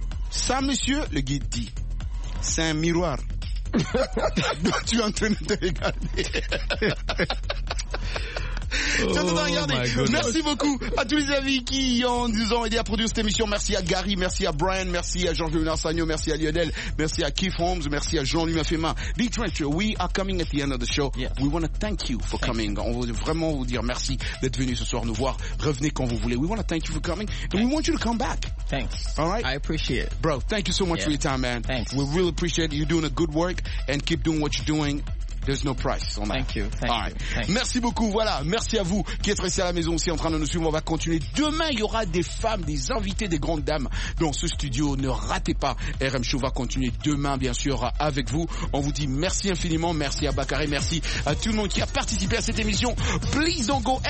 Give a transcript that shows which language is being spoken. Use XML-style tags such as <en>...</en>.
<fr>Ça, monsieur, le guide dit, c'est un miroir. Donc, tu es en train de te regarder. Oh, merci beaucoup à tous les amis qui en 10 ans aidé à produire cette émission. Merci à Gary, merci à Brian, merci à Jean-Louis Narsagno, merci à Lionel, merci à Keith Holmes, merci à Jean-Louis Mafema.</fr> <en>Big Trencher, we are coming at the end of the show. Yes. We want to thank you for coming.</en> <fr>On veut vraiment vous dire merci d'être venu ce soir nous voir. Revenez quand vous voulez.</fr> <en>We want to thank you for coming. And we want you to come back. Thanks. All right. I appreciate it. Bro, thank you so much for your time, man. Thanks. We really appreciate you doing a good work and keep doing what you're doing. There's no price on that. Thank you. Thank All right. you. Thank</en> <fr>merci beaucoup. Voilà. Merci à vous qui êtes restés à la maison aussi en train de nous suivre. On va continuer. Demain, il y aura des femmes, des invités, des grandes dames dans ce studio. Ne ratez pas. RM Show va continuer demain, bien sûr, avec vous. On vous dit merci infiniment. Merci à Bakary. Merci à tout le monde qui a participé à cette émission.</fr> <en>Please don't go.</en>